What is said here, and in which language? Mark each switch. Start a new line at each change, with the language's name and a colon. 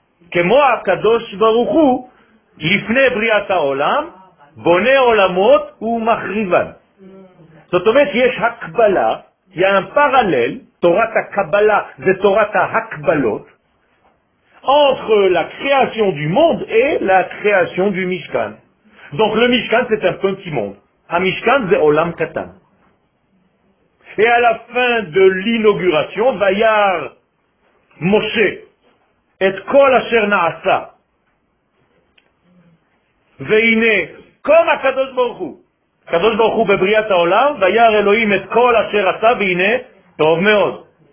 Hebrew: כמו הקדוש ברוך הוא, לפני בריאת העולם, בונה עולמות ומחריבן. זאת אומרת, יש הקבלה, יש פרלל, תורת הקבלה זה תורת ההקבלות,
French: entre la création du
Hebrew: monde et la création du משכן.
French: Donc le משכן c'est un petit monde.
Hebrew: המשכן זה עולם קטן.
French: Et à la fin de l'inauguration,
Hebrew: ויאר משה, את כל אשר נעשה. והנה, קום הקדוש ברוך הוא. הקדוש ברוך הוא בבריאת העולם, ויאר אלוהים את כל אשר עשה, והנה, טוב מאוד.